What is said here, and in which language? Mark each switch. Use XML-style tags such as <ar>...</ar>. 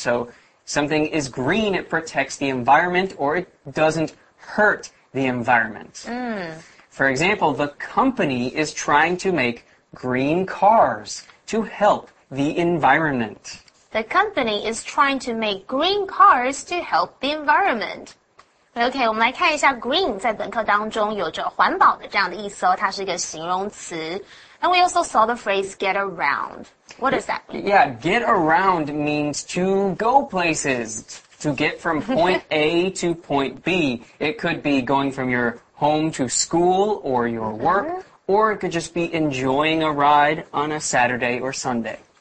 <en>So something is green, it protects the environment or it doesn't hurt the environment.、 Mm. For example, the company is trying to makegreen cars to help the environment. The company is trying to make green cars to help the environment.</en> <zh>OK, 我们来看一下 green 在本课当中有着环保的这样的意思哦，它是一个形容词。</zh> <en>And we also saw the phrase get around. What does that mean? Yeah, get around means to go places, to get from point A to point B. It could be going from your home to school or your work. Or it could just be enjoying a ride on a Saturday or Sunday.</en>